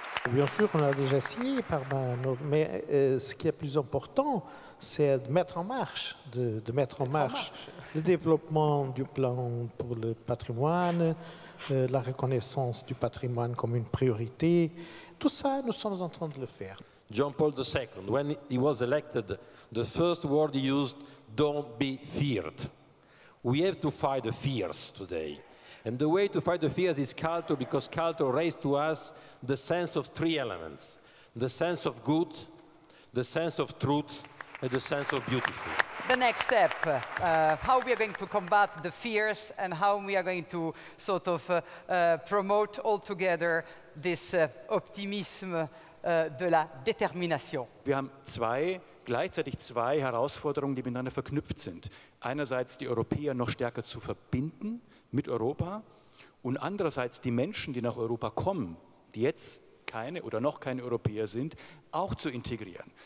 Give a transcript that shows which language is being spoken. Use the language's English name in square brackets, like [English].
[French] Bien sûr, on a déjà signé, mais ce qui est plus important, c'est de mettre en marche, le développement du plan pour le patrimoine, la reconnaissance du patrimoine comme une priorité. Tout ça, nous sommes en train de le faire. [English] Jean-Paul II, when he was elected, the first word he used, don't be feared. We have to fight the fears today. And the way to fight the fears is culture, because culture raised to us the sense of three elements: the sense of good, the sense of truth, and the sense of beautiful. The next step, how we are going to combat the fears and how we are going to sort of promote all together this optimism, [French] de la détermination. [German] Wir haben gleichzeitig zwei Herausforderungen, die miteinander verknüpft sind. Einerseits die Europäer noch stärker zu verbinden mit Europa und andererseits die Menschen, die nach Europa kommen, die jetzt keine oder noch keine Europäer sind, auch zu integrieren.